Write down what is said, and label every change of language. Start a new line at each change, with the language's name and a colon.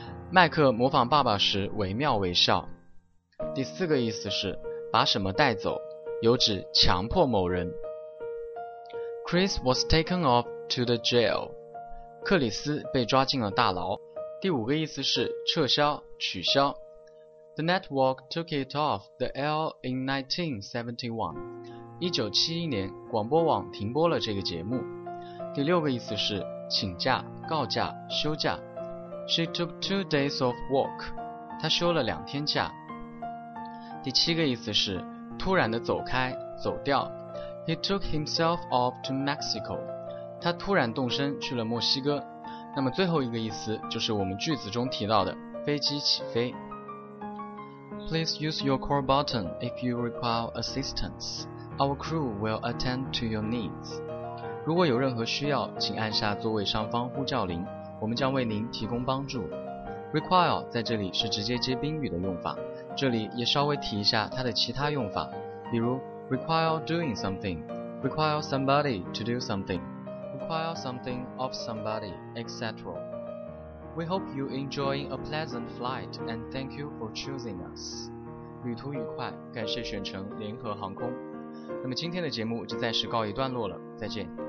Chinese: 麦克模仿爸爸时惟妙惟肖。第四个意思是把什么带走，有指强迫某人。
English: Chris was taken off to the jail.
Chinese: 克里斯被抓进了大牢。第五个意思是撤销，取消。
English: The network took it off the air in 1971.
Chinese: 1971年广播网停播了这个节目。第六个意思是请假，告假，休假。
English: She took 2 days of work.
Chinese: 她休了两天假。第七个意思是突然的走开，走掉。
English: He took himself off to Mexico.
Chinese: 他突然动身去了墨西哥。那么最后一个意思就是我们句子中提到的飞机起飞。
English: Please use your core button if you require assistance. Our crew will attend to your needs.
Chinese: 如果有任何需要，请按下座位上方呼叫铃，我们将为您提供帮助。 Require 在这里是直接接宾语的用法，这里也稍微提一下它的其他用法，比如
English: require doing something, require somebody to do something, require something of somebody, etc. We hope you enjoy a pleasant flight and thank you for choosing us.
Chinese: 旅途愉快，感谢选乘联合航空。那么今天的节目就暂时告一段落了，再见。